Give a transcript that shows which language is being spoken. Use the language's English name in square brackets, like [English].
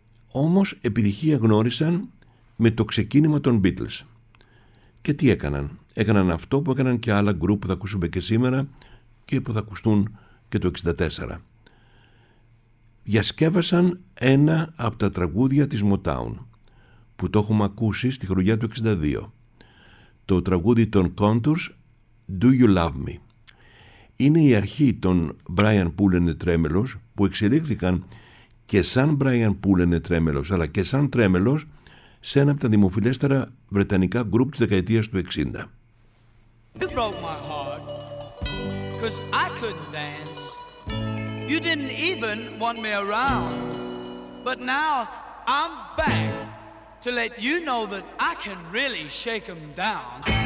[Greek] Όμως επιτυχία γνώρισαν με το ξεκίνημα των Beatles. Και τι έκαναν? Έκαναν αυτό που έκαναν και άλλα γκρουπ που θα ακούσουμε και σήμερα και που θα ακουστούν και το 64. Διασκεύασαν ένα από τα τραγούδια της Motown που το έχουμε ακούσει στη χρονιά του 62. Το τραγούδι των Contours, Do You Love Me. Είναι η αρχή των Brian Poole and the Tremolos που εξελίχθηκαν και σαν Brian Poole and the Tremolos, αλλά και σαν Tremolos, σε ένα από τα δημοφιλέστερα βρετανικά γκρουπ της δεκαετίας του 60. [English] You broke my heart, 'cause I couldn't dance. You didn't even want me around. But now I'm back to let you know that I can really shake 'em down.